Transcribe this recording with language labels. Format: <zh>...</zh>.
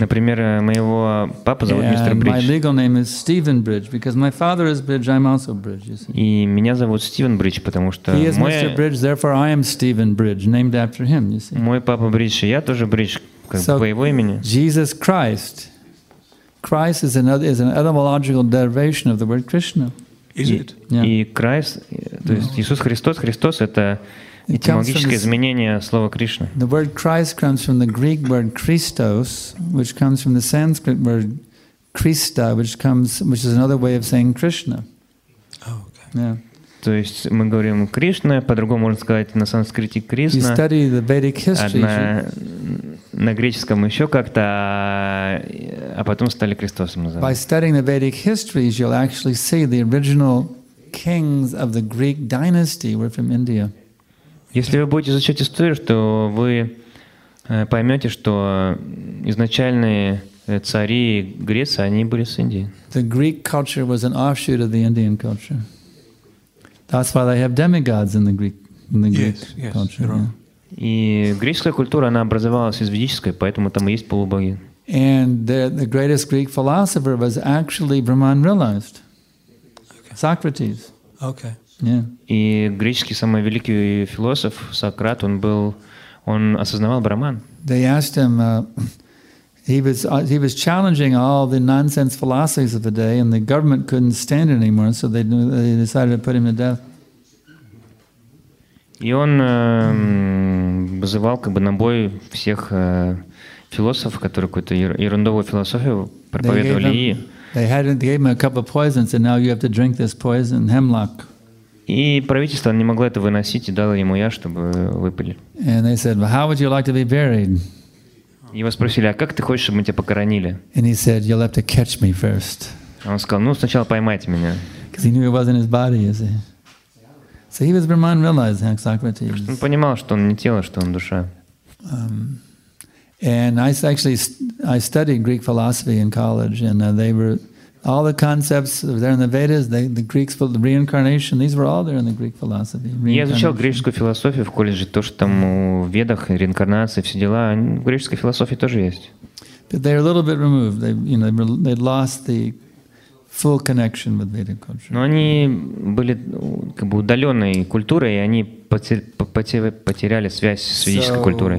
<ru>Например, моего папу зовут мистер Бридж.</ru> <en>My legal name is Stephen Bridge because my father is Bridge. I'm also Bridge. You see.</en> <ru>И меня зовут Стивен Бридж, потому что</ru> <en>he is Mr. Bridge, therefore I am Stephen Бридж, named after him. You see.</en> <ru>Мой папа Бридж, и я тоже Бридж, по его имени.</ru> <en>Jesus Christ. Christ is an etymological derivation of the word Krishna. Is it? Yeah.</en> <ru>И Christ, то есть Иисус Христос, Христос — это этимологическое изменение слова Кришна.</ru> <en>The word Christ comes from the Greek word Christos, which comes from the Sanskrit word Krista, which is another way of saying Krishna. Oh, okay. Yeah.</en> <ru>То есть мы говорим Кришна, по-другому можно сказать на санскрите Кришна.</ru> <en>You study the Vedic history.</en> <ru>На греческом еще как-то, а потом стали Христосом называть.</ru> <en>By studying the Vedic histories, you'll actually see the original kings of the Greek dynasty were from India.</en> <ru>Если вы будете изучать историю, то вы поймете, что изначальные цари Греции, они были с Индии.</ru> <en>The Greek culture was an offshoot of the Indian culture. That's why they have demigods in the Greek culture.</en> <ru>И греческая культура, она образовалась из ведической, поэтому там есть полубоги.</ru> <en>And the greatest Greek philosopher was actually Brahman realized. Okay. Socrates. Okay. Yeah.</en> <ru>И греческий самый великий философ Сократ, он был, он осознавал Брахман.</ru> <en>They asked him, he was challenging all the nonsense philosophies of the day, and the government couldn't stand it anymore, so they decided to put him to death.</en> <ru>И он вызывал как бы на бой всех философов, которые какую-то ерундовую философию проповедовали.</ru> <en>They gave him a cup of poison, and now you have to drink this poison, hemlock.</en> <ru>И правительство не могло это выносить и дало ему яд, чтобы выпили.</ru> <en>And they said, well, how would you like to be buried?</en> <ru>Его спросили, а как ты хочешь, чтобы мы тебя похоронили?</ru> <en>And he said, you'll have to catch me first.</en> <ru>Он сказал, ну сначала поймайте меня.</ru> <en>Because he knew he wasn't his body, you see. So he was Brahman realized, how Socrates.</en> <ru>Он понимал, что он не тело, что он душа.</ru> <en>And I actually I studied Greek philosophy in college, and they were all the concepts there in the Vedas, the Greeks, the reincarnation, these were all there in the Greek philosophy.</en> <ru>Я изучал греческую философию в колледже, то, что там в Ведах, реинкарнация, все дела, в греческой философии тоже есть.</ru> <en>But they're a little bit removed. They lost the full connection with Vedic culture.</en> <ru>Но они были как бы удаленной культурой, и они потеряли связь с ведической культурой.</ru>